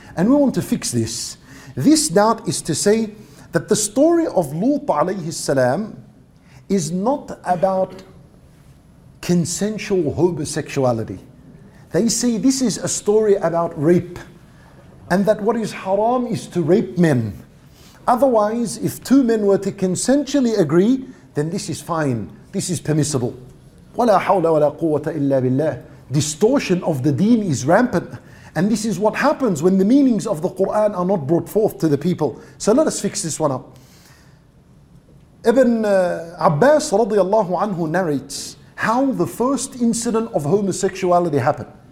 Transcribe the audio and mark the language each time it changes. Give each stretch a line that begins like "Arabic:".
English: And we want to fix this. This doubt is to say that the story of Lut alayhi salam is not about consensual homosexuality. They say this is a story about rape, and that what is haram is to rape men. Otherwise, if two men were to consensually agree, then this is fine. This is permissible.
Arabic: ولا حول ولا قوة إلا بالله.
English: Distortion of the deen is rampant. And this is what happens when the meanings of the Quran are not brought forth to the people. So let us fix this one up. Ibn Abbas radiallahu anhu narrates how the first incident of homosexuality happened.